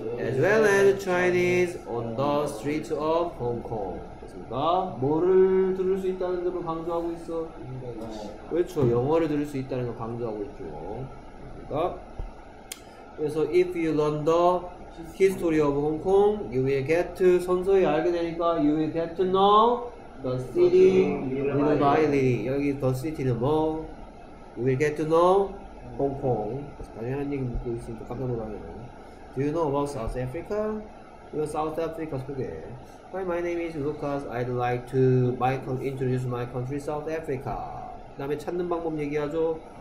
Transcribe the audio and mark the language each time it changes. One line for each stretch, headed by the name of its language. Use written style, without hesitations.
English: as well as Chinese on the streets of Hong Kong.
Korean: 그렇습니까? 뭐를 들을 수 있다는 점을 강조하고 있어? 그렇죠. 영어를 들을 수 있다는 걸 강조하고 있죠. 그러니까 그래서
English: if you learn the history of Hong Kong, you will get to
Korean: 선서히 알게 되니까
English: you will get to know the city little by little. 여기 the city는 뭐? You will get to know 홍콩.
Korean: 당연한 얘기 묻고 있으니까 깜짝 놀라네요.
English: Do you know about South Africa? 이거 South Africa 소개. Hi, my name is Lucas. I'd like to introduce my country, South Africa.
Korean: 그 다음에 찾는 방법 얘기하죠.